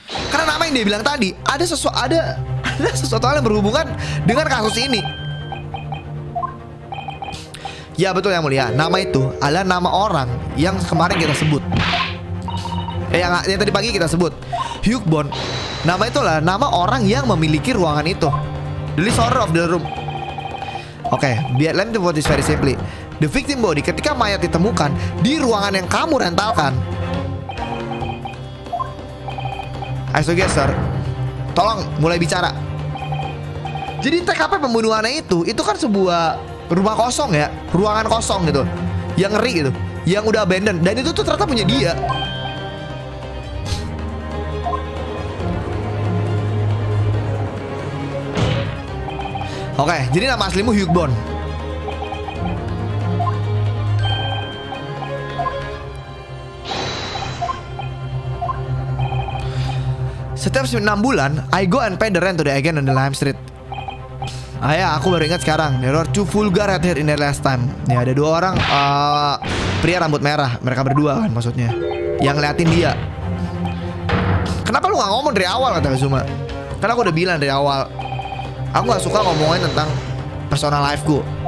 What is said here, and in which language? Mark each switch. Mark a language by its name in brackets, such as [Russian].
[Indonesian] Karena nama yang dia bilang tadi, ada sesuatu hal yang berhubungan dengan kasus ini. Ya betul Yang Mulia, nama itu adalah nama orang yang kemarin kita sebut. Yang tadi pagi kita sebut Hugh Born. Nama itu adalah nama orang yang memiliki ruangan itu. [English] The lessor of the room. [Indonesian] Oke, biar [English] let me put this very simply. The victim body [Indonesian] ketika mayat ditemukan di ruangan yang kamu rentalkan. [English] I suggest, [Indonesian] tolong mulai bicara. Jadi TKP pembunuhannya itu kan sebuah rumah kosong ya, ruangan kosong gitu, yang ngeri gitu, yang udah abandoned, dan itu tuh ternyata punya dia. Oke, jadi nama aslimu Hugh Born. Setiap 6 bulan, [English] I go and pay the rent to the agent on the Lime Street. [Indonesian] Aku baru ingat sekarang. [English] There are two vulgar redhead in there last time. [Indonesian] Ya, ada dua orang pria rambut merah. Mereka berdua kan maksudnya. Yang ngeliatin dia. Kenapa lu gak ngomong dari awal, kata Kazuma? Karena aku udah bilang dari awal. Aku gak suka ngomongin tentang personal life ku.